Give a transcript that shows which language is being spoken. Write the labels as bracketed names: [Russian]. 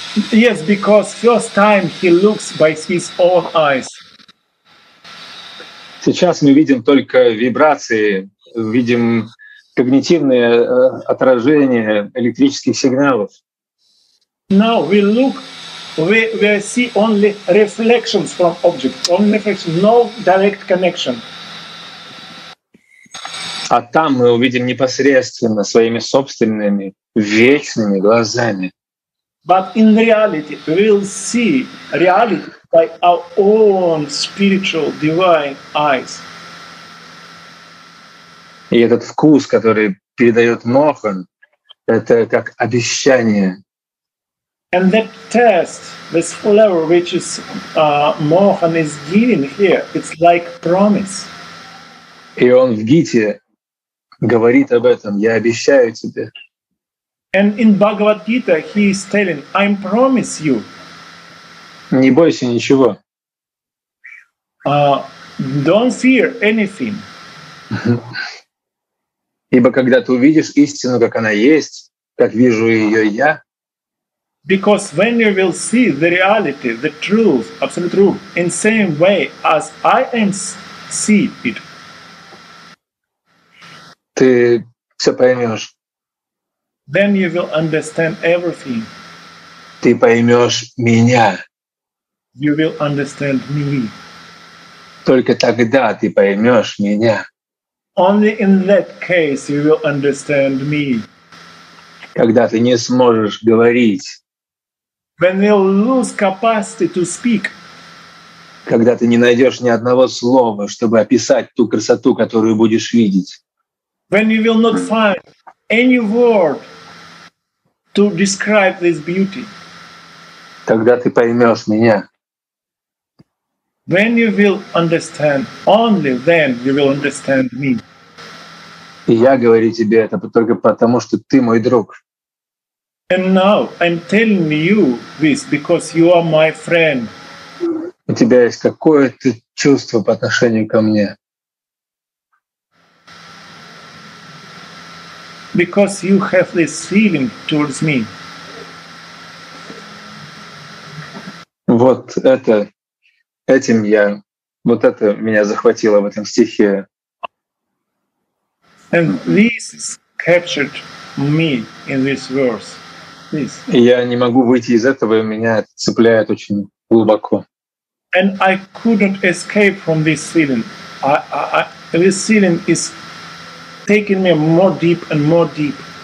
[English] Yes, because first time he looks by his own eyes. [Russian] Сейчас мы видим только вибрации, видим когнитивные отражения электрических сигналов. [English] Now we look, we see only reflections from objects, only reflections, no direct connection. [Russian] А там мы увидим непосредственно своими собственными вечными глазами. [English] But in reality, we will see reality by our own spiritual divine eyes. [Russian] И этот вкус, который передает Мохан, это как обещание. [English] And that taste, this flavor which is Mohan is giving here, it's like promise. [Russian] И он в Гите говорит об этом, я обещаю тебе. [English] And in Bhagavad Gita he is telling, I promise you. [Russian] Не бойся ничего. [English] Don't fear anything. [Russian] Ибо когда ты увидишь истину, как она есть, как вижу ее я. [English] Because when you will see the reality, the truth, absolute truth, in same way as I am see it. [Russian] Ты все поймешь. [English] Then you will understand everything. [Russian] Ты поймешь меня. [English] You will understand me. [Russian] Только тогда ты поймешь меня. [English] Only in that case you will understand me. [Russian] Когда ты не сможешь говорить. [English] When you lose capacity to speak. [Russian] Когда ты не найдешь ни одного слова, чтобы описать ту красоту, которую будешь видеть. [English] When you will not find any word to describe this beauty. [Russian] Когда ты поймешь меня. [English] When you will understand, only then you will understand me. [Russian] И я говорю тебе это только потому, что ты мой друг. [English] And now I'm telling you this because you are my friend. [Russian] У тебя есть какое-то чувство по отношению ко мне? [English] Because you have this feeling towards me. [Russian] Вот это, этим я, вот это меня захватило в этом стихе. [English] And this captured me in this verse. This. [Russian] И я не могу выйти из этого, и меня цепляет очень глубоко. [English] And I couldn't escape from this feeling. This feeling is taking me more deep and more deep.